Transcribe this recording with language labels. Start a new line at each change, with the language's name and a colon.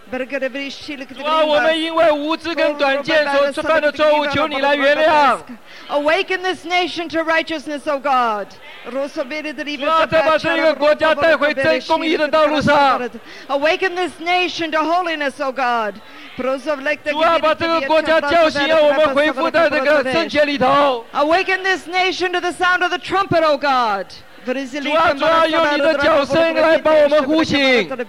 Chinese: 主啊，我们因为无知跟短见所犯的错误，求你来原谅。
English: Awaken this nation to righteousness, O God.
Chinese: 主啊，再把这个国家带回真公义的道路上。
English: Awaken this nation to holiness, O God.
Chinese: 主啊，把这个国家叫醒，让我们恢复在这个圣洁里头。
English: Awaken this nation to the sound of the trumpet, O God.
Chinese: 主啊，主啊，用你的脚声来把我们呼醒。